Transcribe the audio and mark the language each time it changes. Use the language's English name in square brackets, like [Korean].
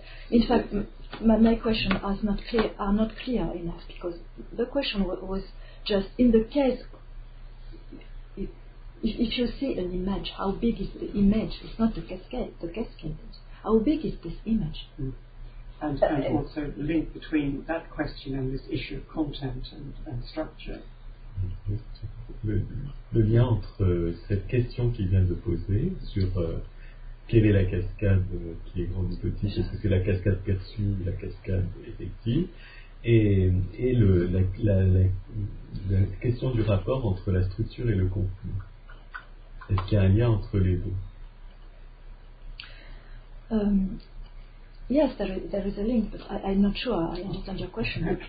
[English] In fact, my question are not clear enough, because the question was just in the case if you see an image, how big is the image? It's not the cascade. How big is this image? And also the link between that question and this issue of content and structure. [French] Le lien entre cette question qu'il vient de poser sur quelle est la cascade qui est grande ou petite, est-ce que c'est la cascade perçue, la cascade effective, et la question du rapport entre la structure et le contenu. Est-ce qu'il y a un lien entre les deux? [English] Yes, there is a link, but I'm not sure I understand your question.